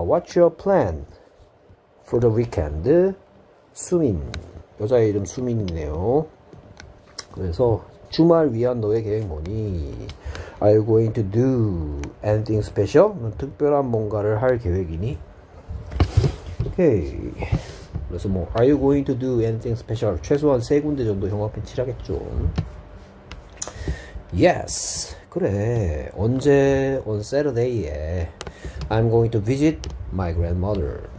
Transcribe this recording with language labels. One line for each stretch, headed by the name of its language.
English: What's your plan for the weekend? 수민.
Korean: 여자 이름 수민이네요. 그래서 주말 위한 너의 계획 뭐니?
English: Are you going to do anything special?
Korean: 특별한 뭔가를 할 계획이니? 오케이. 그래서 뭐
English: Are you going to do anything special?
Korean: 최소한 세 군데 정도 형광펜 칠하겠죠.
English: Yes.
Korean: 그래. 언제?
English: On Saturday에 I'm going to visit my grandmother.